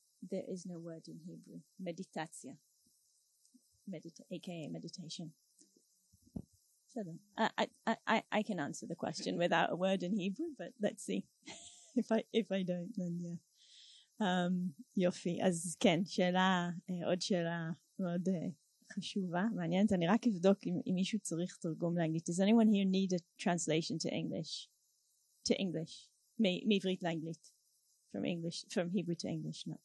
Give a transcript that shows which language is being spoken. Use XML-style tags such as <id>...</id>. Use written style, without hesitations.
<en>There is no word in Hebrew, meditatia, aka meditation. So I can answer the question without a word in Hebrew, but let's see. if I don't, then yeah.</en> <he>Yofi, אז כן, שאלה, עוד שאלה מאוד חשובה, מעניינת. אני רק אבדוק אם מישהו צריך תרגום לאנגלית.</he> <en>Does anyone here need a translation to English? To English,</en> <he>מעברית לאנגלית.</he> <en>From English, from Hebrew to English, no.</en>